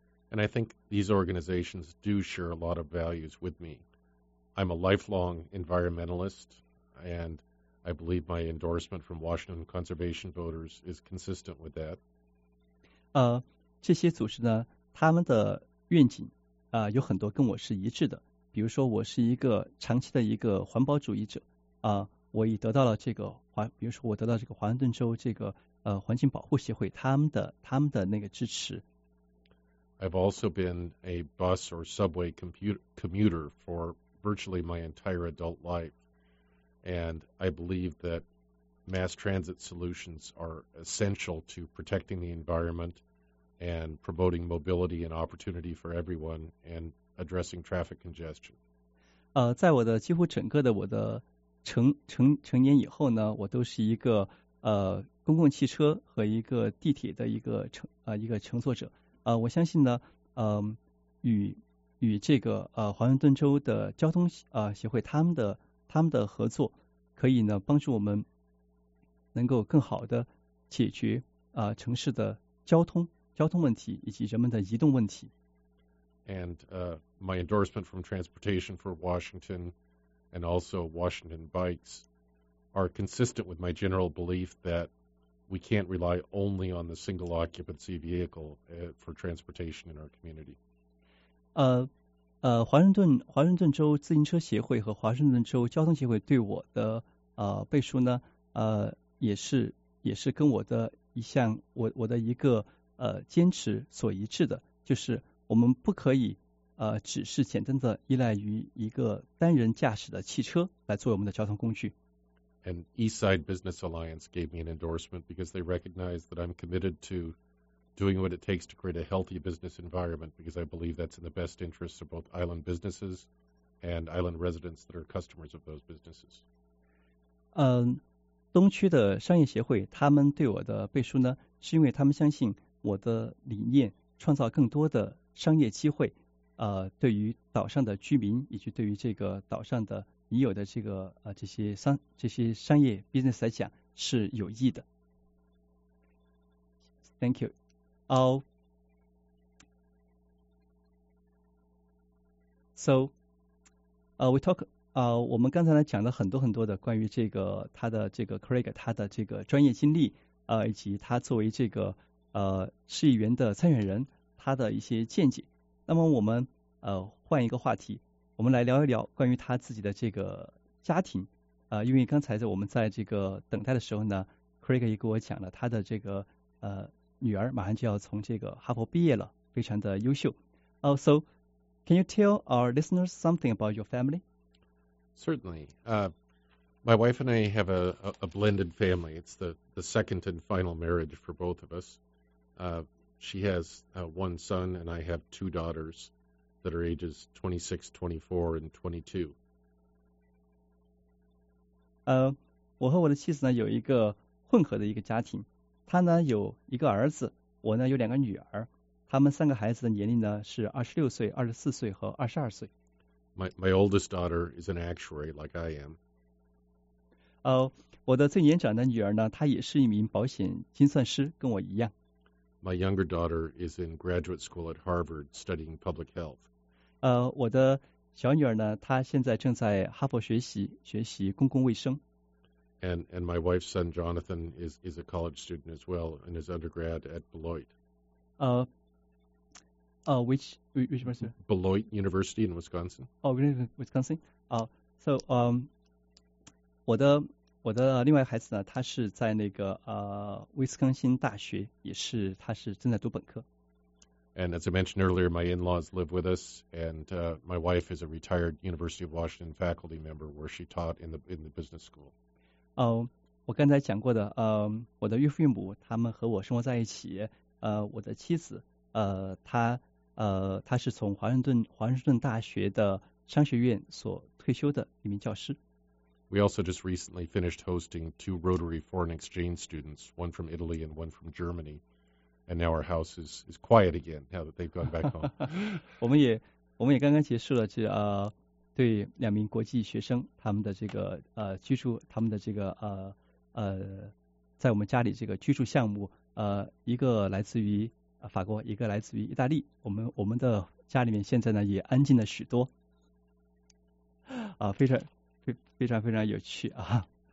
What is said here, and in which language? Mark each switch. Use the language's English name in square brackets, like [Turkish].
[English] And I think these organizations do share a lot of values with me. I'm a lifelong environmentalist, and I believe my endorsement from Washington Conservation Voters is consistent with that. [Chinese] 这些组织呢，他们的愿景有很多跟我是一致的。比如说，我是一个长期的一个环保主义者，我已得到了这个比如说我得到这个华盛顿州这个环境保护协会他们的那个支持。 [English] I've also been a bus or subway commuter for virtually my entire adult life, and I believe that mass transit solutions are essential to protecting the environment and promoting mobility and opportunity for everyone and addressing traffic congestion. [Chinese] 在我的几乎整个的我的成年以后呢，我都是一个公共汽车和一个地铁的一个乘坐者。我相信呢，与这个华盛顿州的交通协会他们的合作，可以呢帮助我们能够更好的解决城市的交通问题以及人们的移动问题。 [English] And my endorsement from Transportation for Washington and also Washington Bikes are consistent with my general belief that. We can't rely only on the single occupancy vehicle for transportation in our community. [Chinese] 华盛顿州自行车协会和华盛顿州交通协会对我的背书呢，也是跟我的一项我的一个坚持所一致的，就是我们不可以只是简单的依赖于一个单人驾驶的汽车来作为我们的交通工具。 [English] And Eastside Business Alliance gave me an endorsement because they recognize that I'm committed to doing what it takes to create a healthy business environment because I believe that's in the best interest of both island businesses and island residents that are customers of those businesses. [Chinese] 东区的商业协会他们对我的背书呢，是因为他们相信我的理念创造更多的商业机会，对于岛上的居民以及对于这个岛上的已有的这个这些商业 business 来讲是有益的。 [English] Thank you. [Chinese] 我们刚才呢讲了很多很多的关于这个他的这个 Craig 他的这个专业经历以及他作为这个市议员的参选人他的一些见解。那么我们换一个话题。我们来聊一聊关于他自己的这个家庭，因为刚才在我们在这个等待的时候呢 ，Craig 也给我讲了他的这个女儿马上就要从这个哈佛毕业了，非常的优秀。 [English] So, can you tell our listeners something about your family? Certainly. My wife and I have a blended family. It's the second and final marriage for both of us. She has one son, and I have two daughters. That are ages 26, 24, and 22. [Chinese] 我和我的妻子呢有一个混合的一个家庭，她呢有一个儿子，我呢有两个女儿，他们三个孩子的年龄呢是26岁、24岁和22岁。 [English] My oldest daughter is an actuary like I am. [Chinese] 我的最年长的女儿呢，她也是一名保险精算师，跟我一样。 [English] My younger daughter is in graduate school at Harvard studying public health. [Chinese] 我的小女儿呢，她现在正在哈佛学习公共卫生。 [English] And my wife's son Jonathan is a college student as well and is undergrad at Beloit. Which university? Beloit University in Wisconsin. Oh, Wisconsin. [Chinese] So 我的另外孩子呢，他是在那个威斯康星大学，也是他是正在读本科。 [English] And as I mentioned earlier, my in-laws live with us, and my wife is a retired University of Washington faculty member where she taught in the business school. [Chinese] 我刚才讲过的，我的岳父岳母他们和我生活在一起，我的妻子，她是从华盛顿大学的商学院所退休的一名教师。 [English] We also just recently finished hosting two Rotary foreign exchange students, one from Italy and one from Germany. And now our house is quiet again, now that they've gone back home. [Chinese] 我们也刚刚结束了这对两名国际学生他们的这个居住他们的这个在我们家里这个居住项目一个来自于法国一个来自于意大利我们的家里面现在呢也安静了许多非常非常非常有趣啊！